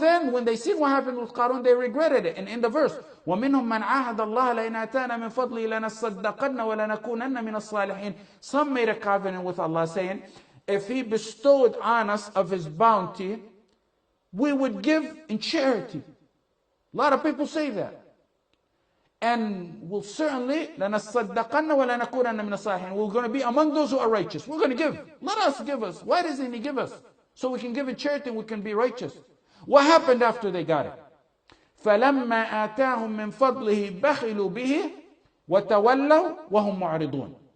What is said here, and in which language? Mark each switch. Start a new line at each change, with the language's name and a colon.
English: Then when they see what happened with Qarun, they regretted it. And in the verse,
Arabic: وَمِنْهُمْ مَنْ عَاهَدَ اللَّهَ لَإِنْ أَتَانَا مِنْ فَضْلِهِ لَنَصَّدَّقَنَّ وَلَنَكُونَنَّ مِنَ الصَّالِحِينَ.
English: Some made a covenant with Allah saying, if he bestowed on us of his bounty, we would give in charity. A lot of people say that. And we'll certainly,
Arabic: لَنَصَّدَّقَنَّ وَلَنَكُونَنَّ مِنَ الصَّالِحِينَ.
English: We're going to be among those who are righteous. We're going to give. Let us give us. Why doesn't he give us? So we can give in charity and we can be righteous. What happened after they got it?
Arabic: فَلَمَّا آتَاهُم مِّن فَضْلِهِ بَخِلُوا بِهِ وَتَوَلَّوا وَهُم مُعْرِضُونَ.